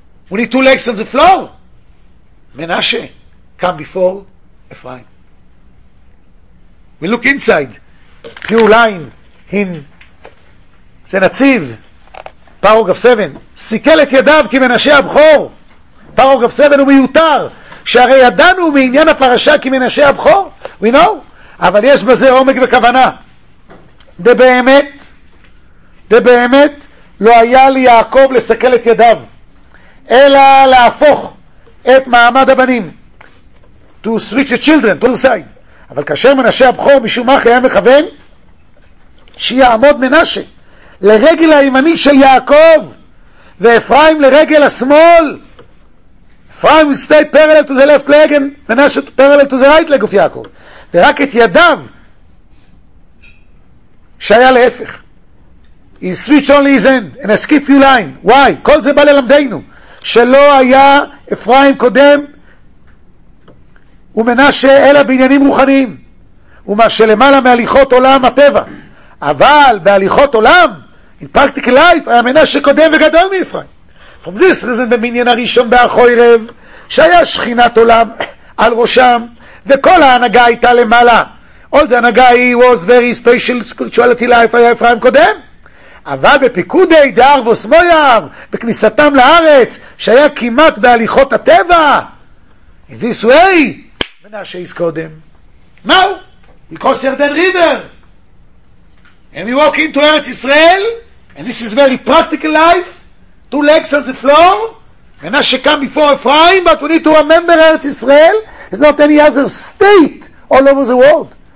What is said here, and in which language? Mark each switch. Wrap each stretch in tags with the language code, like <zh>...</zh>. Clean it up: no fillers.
<en>We need two legs on the floor. Menashe, come before Ephraim. We look inside. Few lines in the Natziv, paragraph 7.</en> <he>Sikel et yadav ki Menashe abchor. Paragraph 7 הוא מיותר, שהרי ידענו מעניין הפרשה כי מנשה הבכור.</he> <en>We know,</en> <he>אבל יש בזה עומק וכוונה. דה באמת, לא היה לי יעקב לסכל את ידיו, אלא להפוך את מעמד הבנים. To switch the children, to the side. אבל כאשר מנשה הבכור, משום מה היה מכוון, שיעמוד מנשה, לרגל הימני של יעקב, ואפרים לרגל השמאל,</he> <en>Ephraim will stay parallel to the left leg and Menashe parallel to the right leg of Yaakov.</en> <he>ורק את ידיו שהיה להפך.</he> <en>He switched only his end and I skip few line. Why?</en> <he>כל זה בא ללמדנו. שלא היה אפרים קודם ומנשה אלא בעניינים רוחניים. ומה שלמעלה מהליכות עולם הטבע. אבל בהליכות עולם,</he> <en>in practical life,</en> <he>היה מנשה קודם וגדול מאפרים.</he> <en>From this reason,</en> <he>במניין הראשון באחוי רב, שהיה שכינת עולם על ראשם, וכל ההנהגה הייתה למעלה.</he> <en>All the הנהגה, he was very special spirituality life,</en> <he>היה אפרים קודם. אבל בפיקודי דאר וסמויר, בכניסתם לארץ, שהיה כמעט בהליכות הטבע.</he> <en>In this way, מנשה is קודם. Now, we cross Yarden River. And we walk into ארץ ישראל, and this is very practical life. Two legs on the floor, Menashe come before Ephraim, but we need to remember Eretz Israel is not any other state all over the world.</en>